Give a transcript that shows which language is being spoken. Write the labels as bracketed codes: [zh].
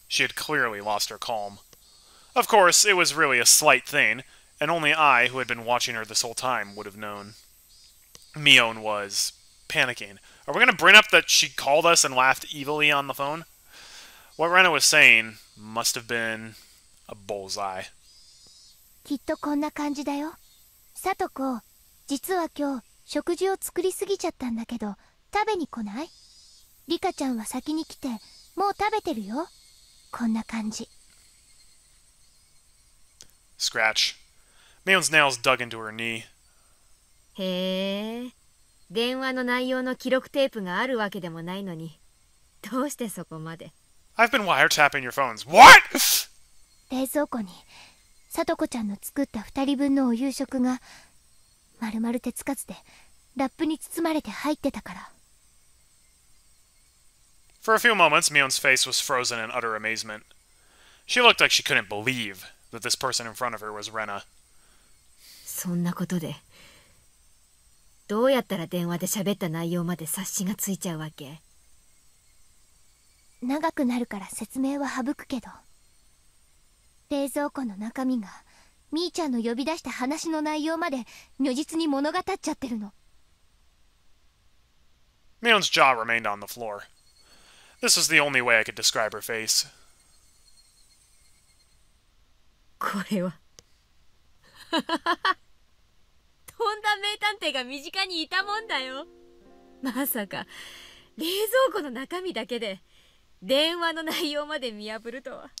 [en] She had clearly lost her calm. Of course, it was really a slight thing, and only I, who had been watching her this whole time, would have known. Mion was panicking. Are we going to bring up that she called us and laughed evilly on the phone? What Rena was saying must have been a bullseye. [ja] きっとこんな感じだよ。さとこ、実は今日食事を作りすぎちゃったんだけど、食べに来ない? リカちゃんは先に来て、もう食べてるよ。こんな感じ。 [en] Scratch. Mion's nails dug into her knee. [ja] へえ、電話の内容の記録テープがあるわけでもないのに、どうしてそこまで? [en] I've been wiretapping your phones. What? [ja] 冷蔵庫に、さとこちゃんの作った二人分のお夕食が、まるまる手つかずで、ラップに包まれて入ってたから。 [en] For a few moments, Mion's face was frozen in utter amazement. She looked like she couldn't believe that this person in front of her was Rena. [ja] そんなことで、どうやったら電話で喋った内容まで察しがついちゃうわけ? 長くなるから説明は省くけど、冷蔵庫の中身がみーちゃんの呼び出した話の内容まで如実に物語っちゃってるの。 [en] Mion's jaw remained on the floor. This was the only way I could describe her face. [ja] これは、とんだ名探偵が身近にいたもんだよ。まさか冷蔵庫の中身だけで電話の内容まで見破るとは。